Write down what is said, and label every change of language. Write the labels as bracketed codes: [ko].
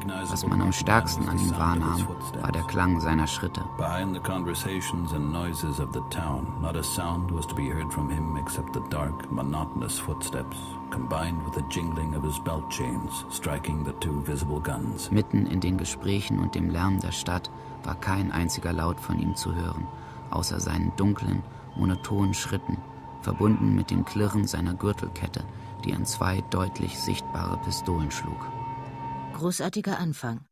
[de] Was man am stärksten an ihm wahrnahm, war der Klang seiner Schritte. [en] Behind the conversations and noises of the town, not a sound was to be heard from him except the dark, monotonous footsteps, combined with the jingling of his belt chains, striking the two visible guns. [de] Mitten in den Gesprächen und dem Lärm der Stadt war kein einziger Laut von ihm zu hören, außer seinen dunklen, monotonen Schritten, verbunden mit dem Klirren seiner Gürtelkette, die an zwei deutlich sichtbare Pistolen schlug. Großartiger Anfang.